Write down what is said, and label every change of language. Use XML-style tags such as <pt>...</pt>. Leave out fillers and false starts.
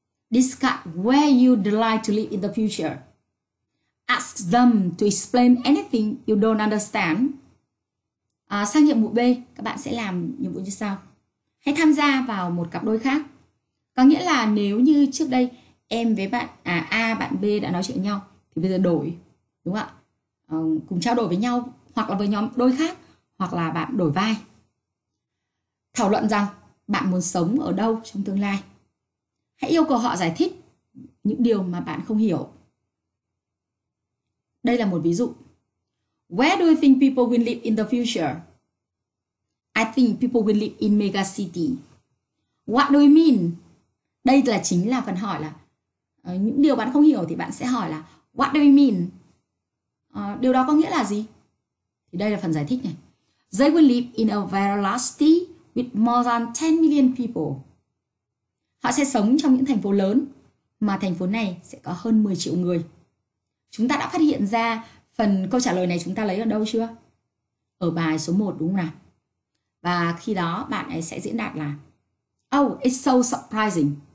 <en>Discuss where you'd like to live in the future. Ask them to explain anything you don't understand.</en> <vi>Sang nhiệm vụ B, các bạn sẽ làm nhiệm vụ như sau. Hãy tham gia vào một cặp đôi khác. Có nghĩa là nếu như trước đây em với bạn A, bạn B đã nói chuyện với nhau thì bây giờ đổi, đúng không ạ? Cùng trao đổi với nhau hoặc là với nhóm đôi khác, hoặc là bạn đổi vai. Thảo luận rằng bạn muốn sống ở đâu trong tương lai. Hãy yêu cầu họ giải thích những điều mà bạn không hiểu. Đây là một ví dụ.</vi> <en>Where do you think people will live in the future? I think people will live in mega city. What do you mean?</en> <vi>Đây là chính là phần hỏi là những điều bạn không hiểu thì bạn sẽ hỏi là</vi> <en>what do you mean?</en> <vi>Điều đó có nghĩa là gì? Thì đây là phần giải thích này.</vi> <en>They will live in a very large city with more than 10 million people.</en> <vi>Họ sẽ sống trong những thành phố lớn mà thành phố này sẽ có hơn 10 triệu người. Chúng ta đã phát hiện ra phần câu trả lời này chúng ta lấy ở đâu chưa? Ở bài số 1 đúng không nào? Và khi đó bạn ấy sẽ diễn đạt là</vi> <en>oh, it's so surprising.</en>